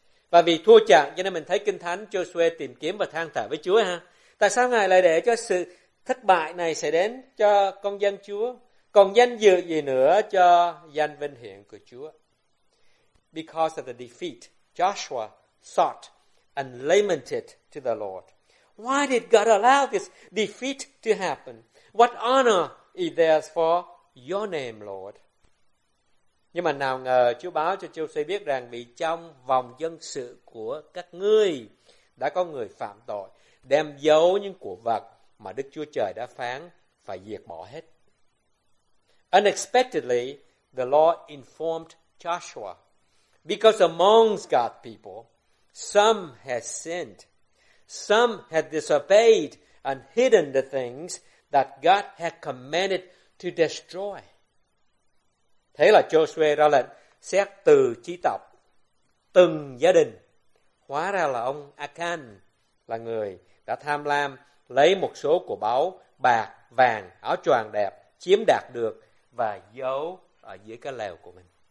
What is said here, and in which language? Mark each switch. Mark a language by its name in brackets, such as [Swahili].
[Vietnamese] Và vì thua trận cho nên mình thấy Kinh Thánh Joshua tìm kiếm và than thở với Chúa ha. Tại sao Ngài lại để cho sự thất bại này xảy đến cho con dân Chúa? Còn danh dự gì nữa cho danh vinh hiển của Chúa? [English] Because of the defeat, Joshua sought and lamented to the Lord. Why did God allow this defeat to happen? What honor is there for your name, Lord? [Vietnamese] Nhưng mà nào ngờ Chúa báo cho Joshua biết rằng vì trong vòng dân sự của các ngươi đã có người phạm tội, đem giấu những của vật mà Đức Chúa Trời đã phán phải diệt bỏ hết. [English] Unexpectedly, the Lord informed Joshua, because amongst God's people, some had sinned, some had disobeyed and hidden the things that God had commanded to destroy. [Vietnamese] Thế là Joshua ra lệnh xét từ chi tộc, từng gia đình. Hóa ra là ông Achan là người đã tham lam lấy một số của báu, bạc, vàng, áo choàng đẹp, chiếm đạt được, và giấu ở dưới cái lều của mình.